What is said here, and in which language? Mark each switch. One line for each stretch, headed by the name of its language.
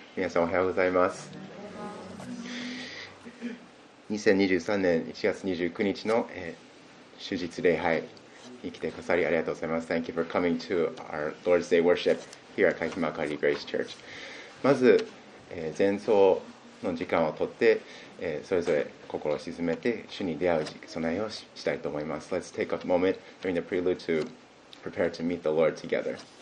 Japanese: 皆さん、おはようございます。 2023年1月29日の、主日礼拝、生きてくださりありがとうございます。
English: Thank you for coming to our Lord's Day worship here at Kaihima Kari Grace Church.
Japanese: まず、前奏の時間をとって、それぞれ心を静めて、主に出会う備えをしたいと思います。
English: Let's take a moment during the prelude to prepare to meet the Lord together.